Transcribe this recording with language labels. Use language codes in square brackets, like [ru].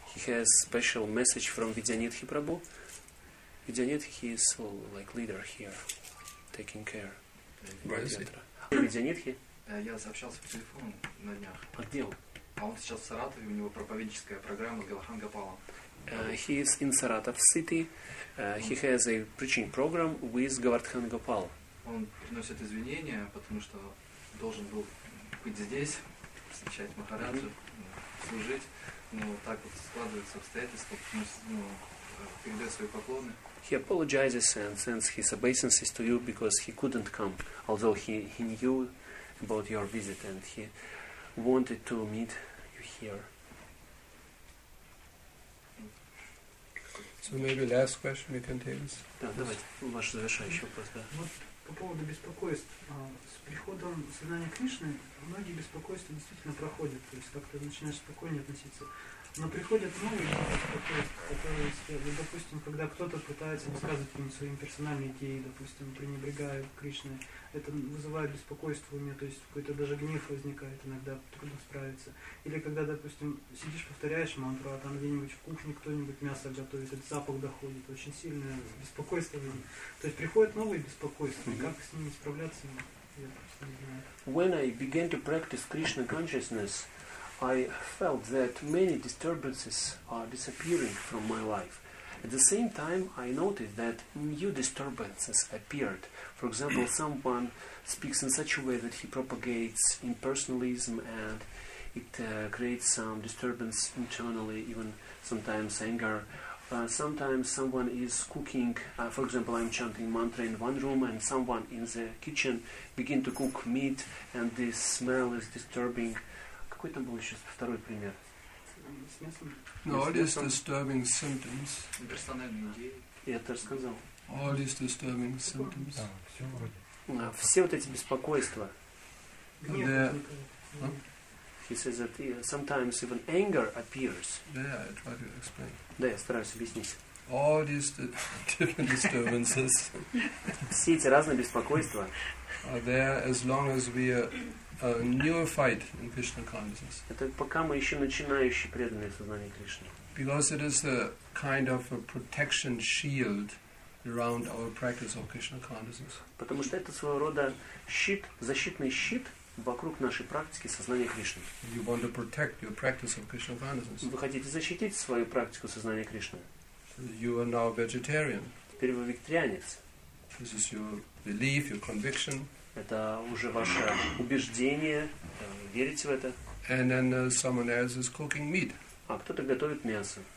[en] He has special message from Vidyanidhi Prabhu. Vidyanidhi is like leader here, taking care. Vidyanidhi. [ru] Я сообщался по телефону на днях. А где он? А он сейчас в Саратове, у него проповедническая программа с Галахан Гопалом. [en] He is in Saratov City. He has a preaching program with Govardhan Gopal. [ru] Он приносит извинения, потому что должен был быть здесь, встречать Махараджу, служить. Но так вот складываются обстоятельства, потому что, ну, передаю свои поклоны. [en] He apologizes and sends his obeisances to you because he couldn't come, although he knew about your visit and he wanted to meet you here. So maybe last question we can take. [ru] Да, давайте, ваш завершающий вопрос, да. По поводу беспокойств, с приходом сознания Кришны многие беспокойства действительно проходят, то есть как-то начинаешь спокойнее относиться. Но приходят новые беспокойства, которые, ну, допустим, когда кто-то пытается высказывать им свои персональные идеи, допустим, пренебрегая Кришной, это вызывает беспокойство у меня, то есть какой-то даже гнев возникает иногда, трудно справиться. Или когда, допустим, сидишь, повторяешь мантру, а там где-нибудь в кухне кто-нибудь мясо готовит, этот запах доходит, очень сильное беспокойство. То есть приходят новые беспокойства, как с ними справляться, я просто не знаю. [en] When I began to practice Krishna consciousness, I felt that many disturbances are disappearing from my life. At the same time, I noticed that new disturbances appeared. For example, someone speaks in such a way that he propagates impersonalism and it creates some disturbance internally, even sometimes anger. Sometimes someone is cooking, for example, I'm chanting mantra in one room and someone in the kitchen begin to cook meat and this smell is disturbing. [ru] Какой там был еще второй пример? [en] No, all these disturbing symptoms. [ru] Я это рассказал. [en] All these disturbing symptoms. [ru] Все вот эти беспокойства. Huh? [en] He says that sometimes even anger appears. Yeah, I try to explain. [ru] Да, я стараюсь объяснить. [en] All these different disturbances. [ru] Все эти разные беспокойства. [en] Are there as long as we are neophyte in Krishna consciousness? [ru] Это пока мы еще начинающие преданные сознания Кришны. [en] Because it is a kind of a protection shield around our practice of Krishna consciousness. [ru] Потому что это своего рода щит, защитный щит вокруг нашей практики сознания Кришны. [en] You want to protect your practice of Krishna consciousness. [ru] Вы хотите защитить свою практику сознания Кришны. [en] You are now a vegetarian. [ru] Теперь вы вегетарианец. [en] This is your belief, your conviction. [ru] Это уже ваше убеждение, верите в это. [en] And then someone else is cooking meat. [ru] А кто-то готовит мясо.